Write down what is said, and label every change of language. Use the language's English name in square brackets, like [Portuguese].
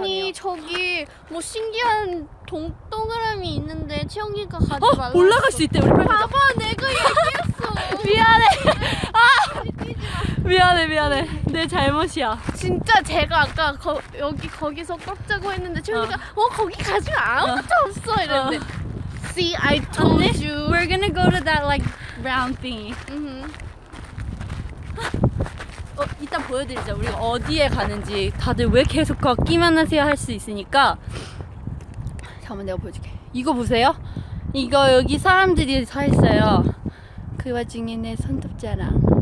[Korean] 아니 저기 뭐 신기한 동그라미 있는데 채영이가 가지 말라고. 올라갈 수 있대. 우리 봐봐 내가 얘기했어. 미안해. 미안해 미안해. 내 잘못이야. 진짜 제가 아까 여기 거기서 꺾자고 했는데 최우이가 거기 가지 아무것도 없어 이랬는데. [English] See, I told [Korean] 언니, [English] you. We're gonna go to that like round thingy. [Korean] 이따 보여드리자. 우리가 어디에 가는지 다들 왜 계속 걷기만 하세요 할 수 있으니까. 잠깐만 내가 보여줄게. 이거 보세요. 이거 여기 사람들이 서 있어요. 그 와중에 내 손톱자랑.